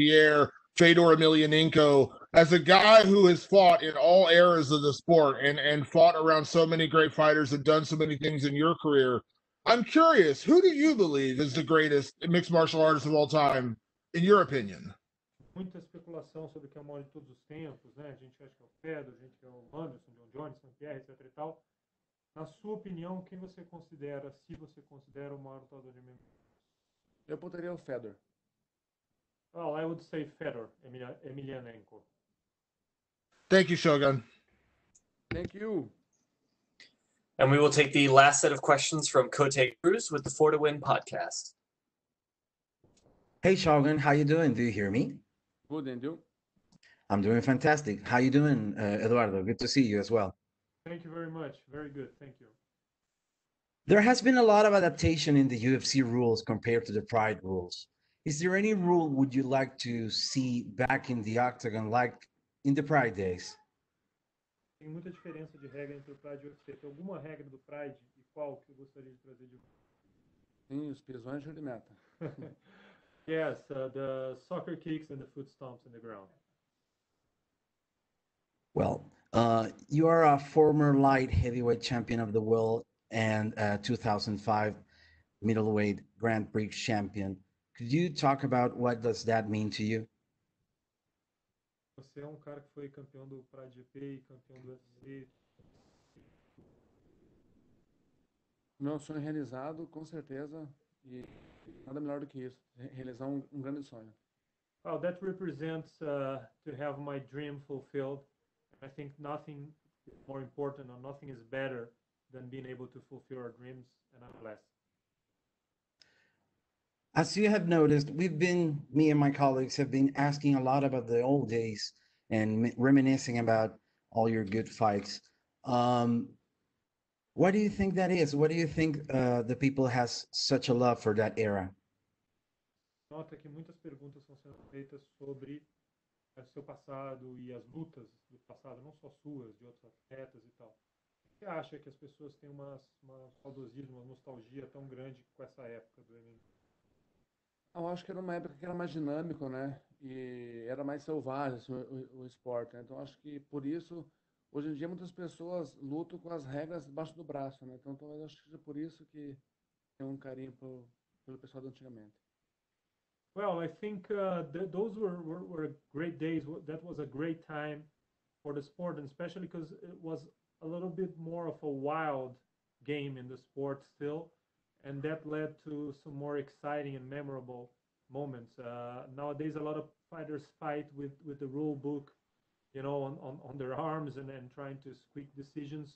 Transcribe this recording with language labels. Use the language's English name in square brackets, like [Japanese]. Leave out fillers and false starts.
[English] Pierre, Fedor Emelianenko. As a guy who has fought in all eras of the sport and fought around so many great fighters and done so many things in your career, I'm curious, who do you believe is the greatest mixed martial artist of all time, in your opinion? [Portuguese] Muita especulação sobre quem é o maior de todos os tempos, né? A gente acha que é o Fedor, a gente acha que é o Anderson, John Jones, St. Pierre, etc. e tal. Na sua opinião, quem você considera, se você considera, o maior lutador de MMA? Eu botaria o Fedor. [English] Well, I would say Fedor, Emelianenko. Thank you, Shogun. Thank you. And we will take the last set of questions from Cote Cruz with the 4 to Win podcast. Hey, Shogun, how you doing? Do you hear me? Good, and you? I'm doing fantastic. How you doing, Eduardo? Good to see you as well. Thank you very much. Very good. Thank you. There has been a lot of adaptation in the UFC rules compared to the Pride rules. Is there any rule would you like to see back in the octagon, like in the Pride days? [Portuguese] Tem muita diferença de regra entre o Pride e o UFC. Tem alguma regra do Pride e qual que eu gostaria de trazer de Tem os pisões de meta. [English] Yes, the soccer kicks and the foot stomps in the ground. Well, you are a former light heavyweight champion of the world and 2005 middleweight Grand Prix champion. Could you talk about what does that mean to you? [Portuguese] Você é um cara que foi campeão do Pride GP e campeão do UFC. Meu sonho realizado, com certeza, e nada melhor do que isso, realizar um grande sonho. [English] Well, that represents to have my dream fulfilled. I think nothing is more important or nothing is better than being able to fulfill our dreams, and I'm blessed. As you have noticed, me and my colleagues have been asking a lot about the old days and reminiscing about all your good fights. What do you think that is? What do you think the people has such a love for that era? [Portuguese] Nota que muitas perguntas são sendo feitas sobre o seu passado e as lutas do passado, não só suas, de outros atletas e tal. Você acha que as pessoas têm uma saudosismo, uma nostalgia tão grande com essa época do MMA? Eu acho que era uma época que era mais dinâmico, né? E era mais selvagem assim, o esporte, né? Então acho que por isso, hoje em dia, muitas pessoas lutam com as regras debaixo do braço, né? Então talvez acho que seja por isso que tem um carinho pelo pessoal de antigamente. [English] Well, I think those were great days. That was a great time for the sport, and especially because it was a little bit more of a wild game in the sport still. And that led to some more exciting and memorable moments. Nowadays, a lot of fighters fight with the rule book, you know, on their arms and trying to squeak decisions.